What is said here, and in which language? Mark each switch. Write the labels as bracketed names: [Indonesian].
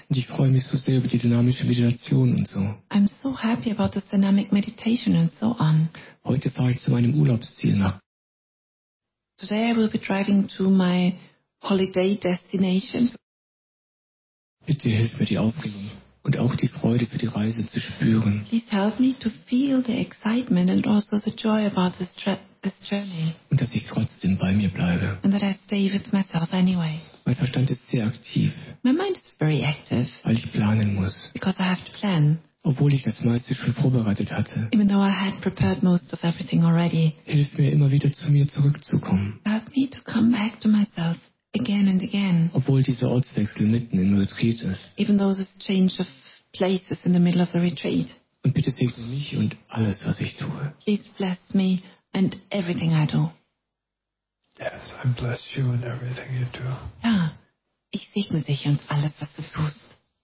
[German] Und ich freue mich so sehr über die dynamische Meditation und so. [English] I'm so happy about this dynamic meditation and so on. [German] Heute fahre ich zu meinem Urlaubsziel nach. [English] Today I will be driving to my holiday destination. [German] Bitte hilf mir, die Aufregung und auch die Freude für die Reise zu spüren. [English] Please help me to feel the excitement and also the joy about this trip. This journey. [German] Und dass ich trotzdem bei mir bleibe. [English] And that I stay with myself anyway. [German] Mein Verstand ist sehr aktiv. [English] My mind is very active. [German] Weil ich planen muss. [English] Because I have to plan. [German] Obwohl ich das meiste schon vorbereitet hatte. [English] Even though I had prepared most of everything already. [German] Hilf mir immer wieder zu mir zurückzukommen. [English] Help me to come back to myself again and again. [German] Obwohl dieser Ortswechsel mitten im Retreat ist. [English] Even though this change of place is in the middle of the retreat. [German] Und bitte segne mich und alles, was ich tue. [English] Please bless me. And everything I do. Yes, I bless you and everything you do. [German] Ja, ich segne dich und alles, was du tust.